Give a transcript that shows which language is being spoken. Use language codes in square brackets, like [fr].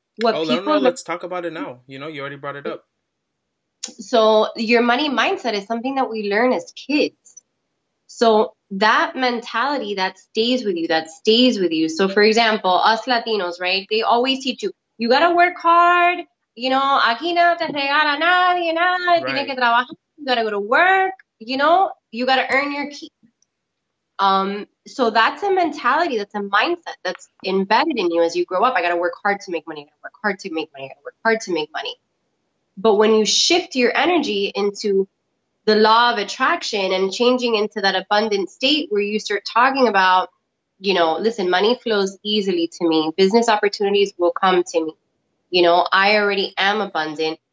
[en] Let's talk about it now. You know, you already brought it up. So your money mindset is something that we learn as kids. So that mentality that stays with you. So for example, us Latinos, right? They always teach you, you got to work hard. [es] You know, aquí no te regala nadie, nada. [en] Right. [es] Tiene que trabajar. [en] You got to go to work. You know, you got to earn your keep. So that's a mentality, that's a mindset that's embedded in you as you grow up. I got to work hard to make money, I got to work hard to make money, I got to work hard to make money. But when you shift your energy into the law of attraction and changing into that abundant state where you start talking about, you know, listen, money flows easily to me, business opportunities will come to me, you know, I already am abundant.